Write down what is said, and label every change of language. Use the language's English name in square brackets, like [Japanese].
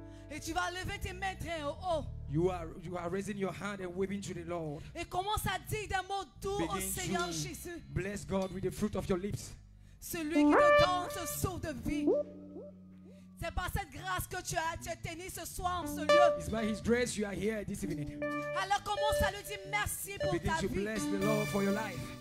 [French] Et tu vas lever tes mains très haut. [English] You are raising your hand and waving to the Lord. [French] Et commence à dire des mots doux au Seigneur Jésus. [English] Bless God with the fruit of your lips. [French] Celui qui nous donne ce saut de vie. C'est par cette grâce que tu as tenu ce soir en ce lieu. [English] It's by His grace you are here this evening. [French] Alors commence à lui dire merci pour [English] begin [French] ta vie. [English] Begin to bless the Lord for your life.